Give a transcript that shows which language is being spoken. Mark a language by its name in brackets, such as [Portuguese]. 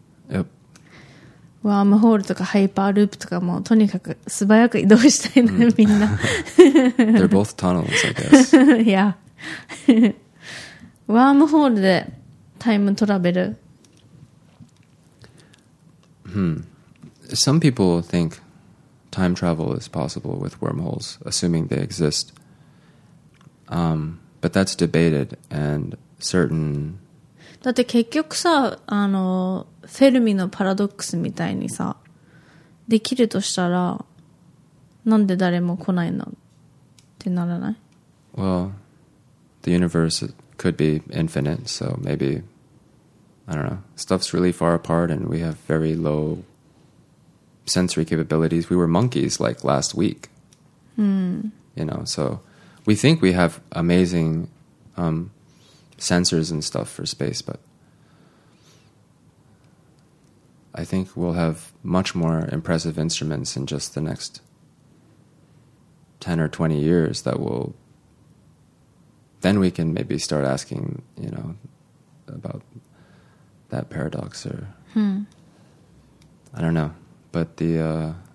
[English] Yep. [Japanese] ワームホールとかハイパーループとかもとにかく素早く移動したいね、mm. みんな。 [English] They're both tunnels, I guess. Yeah. [Japanese] ワームホールでタイムトラベル。 Hmm. [English] Some people think time travel is possible with wormholes, assuming they exist. But that's debated and certain. [Japanese] だって結局さ、あのフェルミのパラドックスみたいにさ、できるとしたらなんで誰も来ないのってならない？ [English] Well, the universe could be infinite, so maybe I don't know. Stuff's really far apart, and we have very low sensory capabilities. We were monkeys like last week. Hmm. You know, so we think we have amazing. Sensors and stuff for space, but I think we'll have much more impressive instruments in just the next 10 or 20 years that will then we can maybe start asking, you know, about that paradox or I don't know, but the